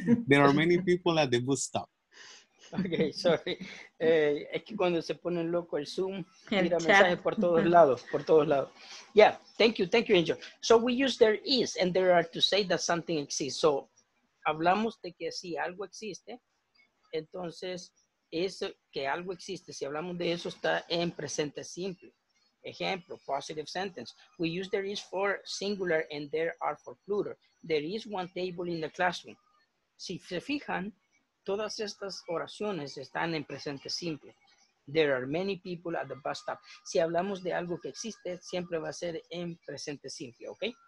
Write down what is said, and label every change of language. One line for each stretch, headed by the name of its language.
English: There are many people at the bus stop. Okay, sorry.
Spanish: Es que cuando se pone loco el Zoom, mira mensajes por todos lados.
English: Yeah, thank you, Angel. So we use there is and there are to say that something exists. So
Spanish: hablamos de que si algo existe, entonces eso, que algo existe, si hablamos de eso, está en presente simple.
English: Ejemplo, positive sentence. We use there is for singular and there are for plural. There is one table in the classroom.
Spanish: Si se fijan, todas estas oraciones están en presente simple.
English: There are many people at the bus stop.
Spanish: Si hablamos de algo que existe, siempre va a ser en presente simple, ¿ok?